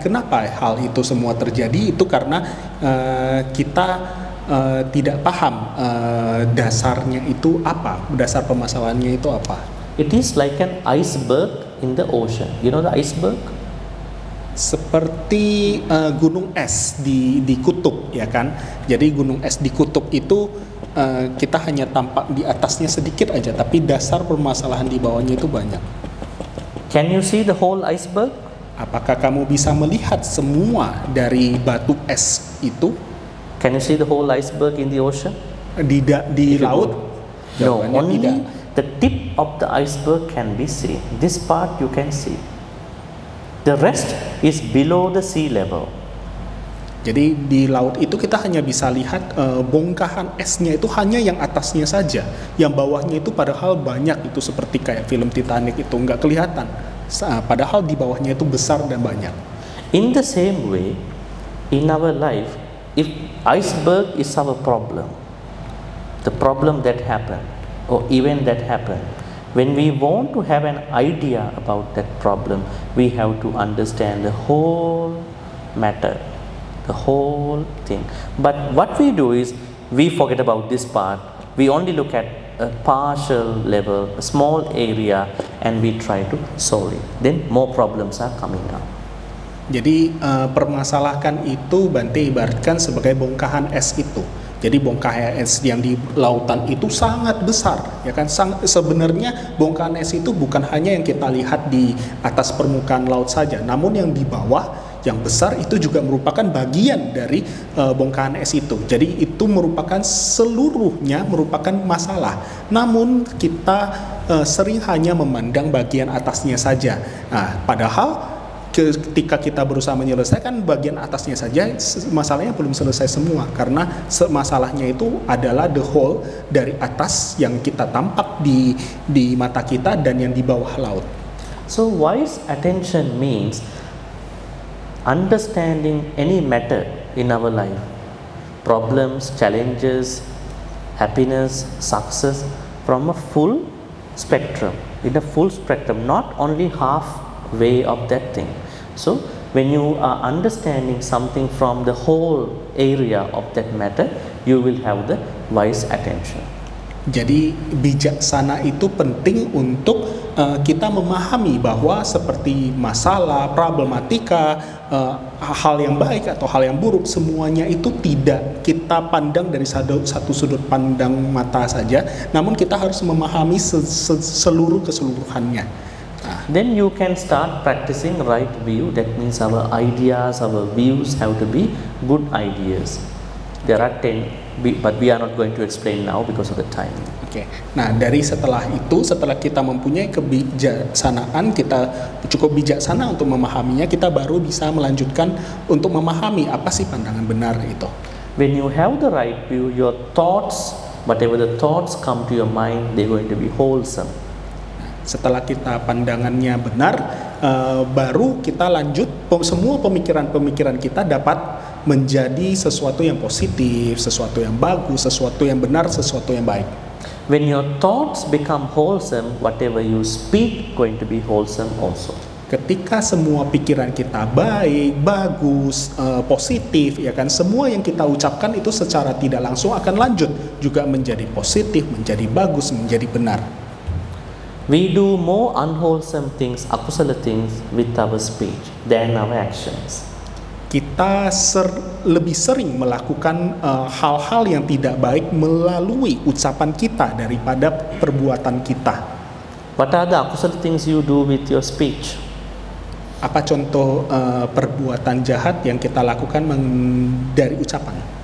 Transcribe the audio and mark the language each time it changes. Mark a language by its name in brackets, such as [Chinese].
[Indonesian] Kenapa hal itu semua terjadi? Itu karena kita tidak paham dasarnya itu apa, dasar permasalahannya itu apa. [English] It is like an iceberg in the ocean. You know the iceberg? [Indonesian] Seperti gunung es di kutub, ya kan? Jadi gunung es di kutub itu kita hanya tampak di atasnya sedikit aja, tapi dasar permasalahan di bawahnya itu banyak. [English] Can you see the whole iceberg? [Indonesian] Apakah kamu bisa melihat semua dari batu es itu? [English] Can you see the whole iceberg in the ocean? [Indonesian] Di laut? [English] No, only [Indonesian] tidak. [English] The tip of the iceberg can be seen. This part you can see. The rest is below the sea level. [Indonesian] Jadi di laut itu kita hanya bisa lihat bongkahan esnya itu hanya yang atasnya saja. Yang bawahnya itu padahal banyak, itu seperti kayak film Titanic itu enggak kelihatan. Padahal di bawahnya itu besar dan banyak. [English] In the same way, in our life, if iceberg is our problem, the problem that happened or event that happened, when we want to have an idea about that problem, we have to understand the whole matter. The whole thing. But what we do is we forget about this part. We only look at a partial level, a small area, and we try to solve it. Then more problems are coming up. [Indonesian] Jadi permasalahan itu Bante ibaratkan sebagai bongkahan es itu. Jadi bongkahan es yang di lautan itu sangat besar, ya kan? Sebenarnya bongkahan es itu bukan hanya yang kita lihat di atas permukaan laut saja, namun yang di bawah yang besar itu juga merupakan bagian dari bongkahan es itu. Jadi itu merupakan seluruhnya merupakan masalah. Namun kita sering hanya memandang bagian atasnya saja. Nah, padahal ketika kita berusaha menyelesaikan bagian atasnya saja, masalahnya belum selesai semua, karena masalahnya itu adalah [English] the whole [Indonesian] dari atas yang kita tampak di mata kita dan yang di bawah laut. [English] So wise attention means understanding any matter in our life, problems, challenges, happiness, success, from a full spectrum, in a full spectrum, not only half way of that thing. So when you are understanding something from the whole area of that matter, you will have the wise attention. [Indonesian] Jadi bijaksana itu penting untuk kita memahami bahwa seperti masalah, problematika, hal yang baik atau hal yang buruk, semuanya itu tidak kita pandang dari satu sudut pandang mata saja, namun kita harus memahami seluruh keseluruhannya. [English] Then you can start practicing right view. That means our ideas, our views have to be good ideas. There are 10, but we are not going to explain now because of the time. Okay. [Indonesian] Nah, dari setelah itu, setelah kita mempunyai kebijaksanaan, kita cukup bijaksana untuk memahaminya, kita baru bisa melanjutkan untuk memahami apa sih pandangan benar itu. [English] When you have the right view, your thoughts, whatever the thoughts come to your mind, they're going to be wholesome. [Indonesian] Setelah kita pandangannya benar, baru kita lanjut semua pemikiran-pemikiran kita dapat menjadi sesuatu yang positif, sesuatu yang bagus, sesuatu yang benar, sesuatu yang baik. [English] When your thoughts become wholesome, whatever you speak going to be wholesome also. [Indonesian] Ketika semua pikiran kita baik, bagus, positif, ya kan, semua yang kita ucapkan itu secara tidak langsung akan lanjut juga menjadi positif, menjadi bagus, menjadi benar. [English] We do more unwholesome things, akusala things, with our speech than our actions. [Indonesian] Kita lebih sering melakukan hal-hal yang tidak baik melalui ucapan kita daripada perbuatan kita. [English] What are the akusala things you do with your speech? [Indonesian] Apa contoh perbuatan jahat yang kita lakukan dari ucapan?